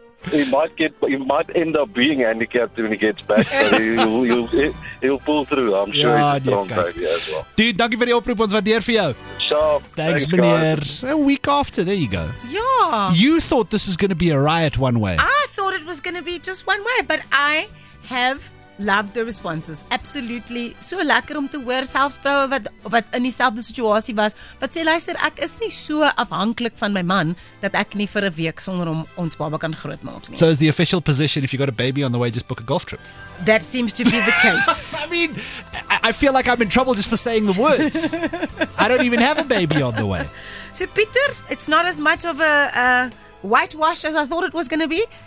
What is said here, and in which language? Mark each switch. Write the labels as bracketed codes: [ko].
[en] He might end up being handicapped when he gets back, but he'll pull through. I'm sure he's a strong baby as well. Dude, thank you for the oproep. [af] Ons waardeer [en] for you. Thanks, [af] meneer. [en] A week after, there you go. Yeah. You thought this was going to be a riot one way. I thought it was going to be just one way, but I have loved the responses. Absolutely. [af] So lekker om te hoor, selfs vroue wat in dieselfde situasie was, wat sê, luister, ek is nie so afhanklik van my man, dat ek nie vir 'n week sonder hom ons baba kan groot maak nie. [en] So is the official position, if you got a baby on the way, just book a golf trip. That seems to be the case. I mean, I feel like I'm in trouble just for saying the words. I don't even have a baby on the way. So Peter, it's not as much of a whitewash as I thought it was going to be.